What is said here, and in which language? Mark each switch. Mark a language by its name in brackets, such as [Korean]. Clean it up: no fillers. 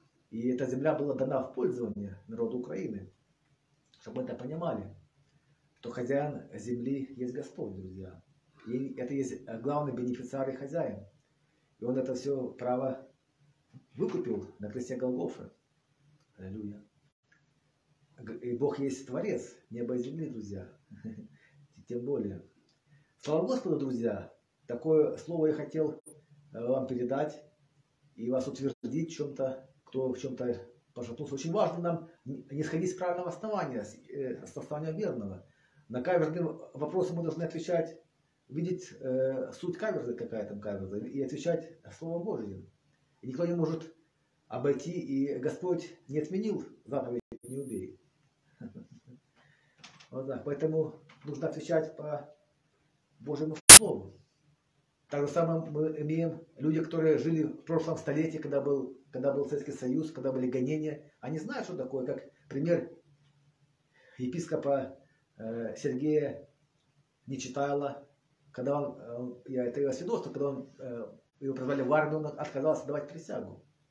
[Russian] И эта земля была дана в пользование народу Украины. Чтобы мы это понимали, что хозяин земли есть Господь, друзья. И это есть главный бенефициар и хозяин. И он это все право выкупил на кресте Голгофы. Аллилуйя. [Ukrainian] і Бог є творець, неба і землі, друзі. Тим більше. Слава Господу, друзі. Таке слово я хотів вам передати і вас утвердити в чому-то, хто в чому-то пошатнувся. Дуже важливо нам не сходити з правильного основання, з основання вірного. На каверзні питання ми повинні відповідати, видіти суть каверзи, яка там каверза, і відповідати Словом Божим. Ніхто не може обойти, і Господь не відмінив заповідь «Не убей». [Russian] Вот так. Поэтому нужно отвечать по Божьему Слову. Так же самое мы имеем люди, которые жили в прошлом столетии, когда был Советский Союз, когда были гонения. Они знают, что такое, как пример епископа Сергея Нечитайло, когда он, я это его свидетельство, когда он, его призвали в армию, он отказался давать присягу.